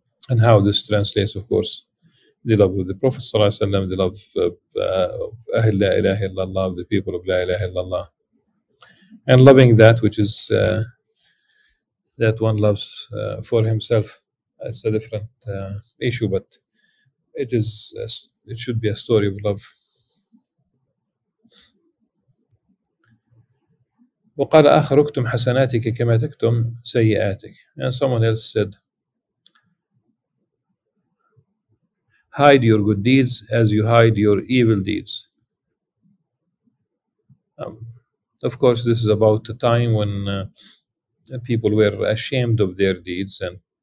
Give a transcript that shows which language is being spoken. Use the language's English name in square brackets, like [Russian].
[English] And how this translates, of course, the love of the Prophet sallallahu alaihi wasallam, the love of Ahl la ilaha illallah, the people of la ilaha illallah. And loving that which is that one loves for himself, it's a different issue, but it is it should be a story of love. [Arabic] وقال آخر اكتم حسناتك كما تكتم سيئاتك. [English] And someone else said, hide your good deeds as you hide your evil deeds. Of course, this is about the time when people were ashamed of their deeds and